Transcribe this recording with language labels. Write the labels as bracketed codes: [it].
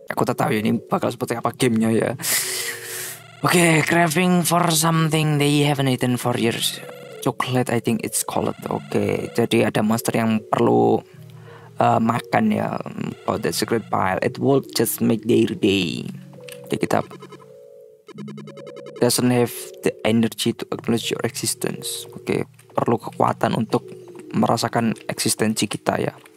[id] Aku tak tahu ini bakal seperti apa gamenya ya. [en] Okay, craving for something they haven't eaten for years. Chocolate, I think it's called. Okay, [id] jadi ada monster yang perlu makan ya. [en] Oh, the secret pile. It will just make their day. [id] Jadi kita [en] doesn't have the energy to acknowledge your existence. [id] Okay, perlu kekuatan untuk merasakan eksistensi kita ya.